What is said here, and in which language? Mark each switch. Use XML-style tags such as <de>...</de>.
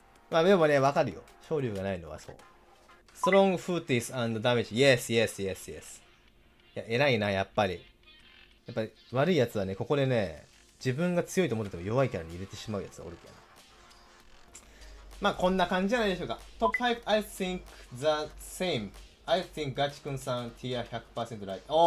<ja>まあ、でもね、わかるよ。昇竜がないのはそう。ストロングフーティス&ダメージ。イエス、イエス、イエス、イエス。いや、偉いな、やっぱり。やっぱり、悪いやつはね、ここでね、自分が強いと思ってても弱いキャラに入れてしまうやつがおるけど。まあこんな感じじゃないでしょうか。</ja> <en>トップ5、I think the same. I think ガチくんさん、ティア 100% ライト。</en>